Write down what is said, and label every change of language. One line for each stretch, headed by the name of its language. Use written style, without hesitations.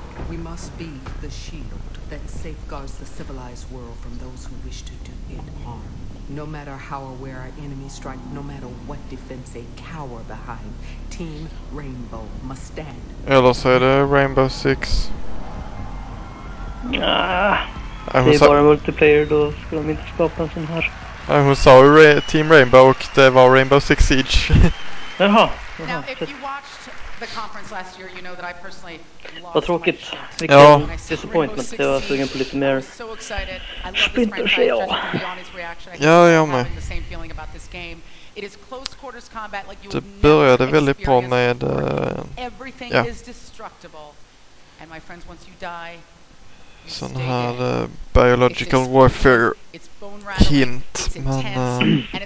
English: We must be the shield that safeguards the civilized world from those who wish to do it harm. No matter how or where our enemies strike, no matter what defense they cower behind, Team Rainbow must stand.
Swedish: Eller så är det Rainbow Six. Ah, det är bara multiplayer, då ska de inte skapa en sån här. Hon sa Team Rainbow och det var Rainbow Six Siege. Jaha.
English: Now, if you watched the conference last year, you know that I personally lost.
Swedish: Vad tråkigt. Ja,
English: disappointment.
Swedish: Jag var sugen på lite mer.
English: So excited. I love Splinter Cell.
Swedish: Ja, jag med.
English: The same feeling about this game. It is close quarters combat like you would never.
Swedish: Det började väldigt bra med
English: everything is destructible. And my friends, once you die,
Swedish: sån här
English: biological warfare hint, men